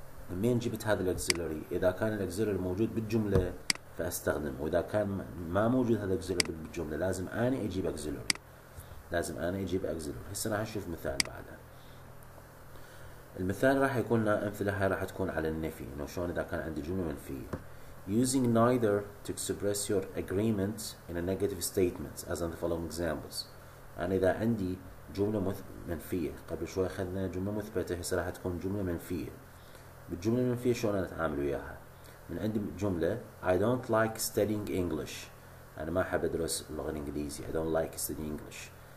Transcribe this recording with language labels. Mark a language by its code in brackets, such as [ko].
[ar] منين جبت هذا الاكزيلوري؟ إذا كان الاكزيلوري موجود بالجملة فأستخدمه, وإذا كان ما موجود هذا الاكزيلوري بالجملة لازم أنا أجيب اكزيلوري. لازم أنا أجيب اكزيلوري. هسه راح أشوف مثال بعدها. المثال راح يكون أمثلة هاي راح تكون على النفي, إنه شلون إذا كان عندي جملة منفية. [en] Using neither to express your agreement in a negative statement as in the following examples. [ar] أنا إذا عندي جملة منفية, قبل شوي أخذنا جملة مثبتة, هسه راح تكون جملة منفية. بالجملة المنفية شلون أتعامل وياها؟ من عندي جملة [en] I don't like studying English, [ar] أنا ما أحب أدرس اللغة الإنجليزية. [en] I don't like studying English.